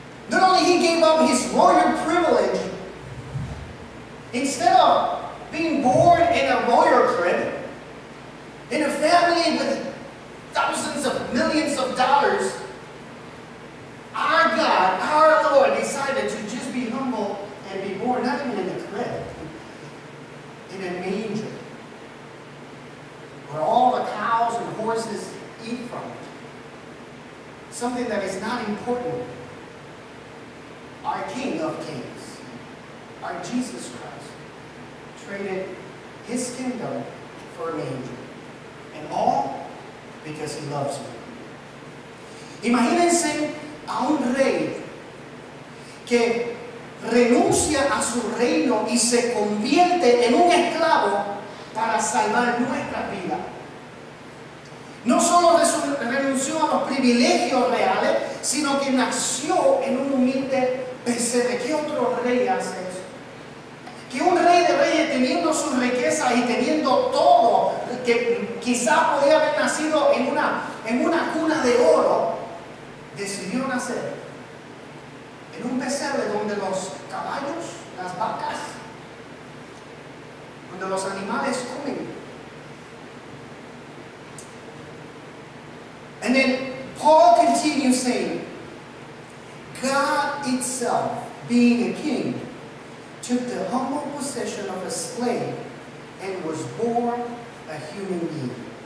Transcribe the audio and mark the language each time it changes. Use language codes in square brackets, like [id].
[en] Not only he gave up his royal privilege, instead of being born in a royal crib, in a family with thousands of millions of dollars, our God, our Lord, decided to just be humble and be born, not even in a crib, in a manger, where all the cows and horses eat from it. Something that is not important. Our King of Kings, our Jesus Christ, traded his kingdom for a manger. And all because he loves you. [es] Imagínense a un rey que renuncia a su reino y se convierte en un esclavo para salvar nuestra vida. No solo renunció a los privilegios reales, sino que nació en un humilde pesebre. ¿Qué otro rey hace eso? Que un rey de reyes, teniendo sus riquezas y teniendo todo, que quizás podía haber nacido en una cuna de oro, decidió nacer en un pesebre donde los caballos, las vacas, donde los animales comen. [en] And then Paul continues saying, God itself, being a king, took the humble position of a slave and was born a human being.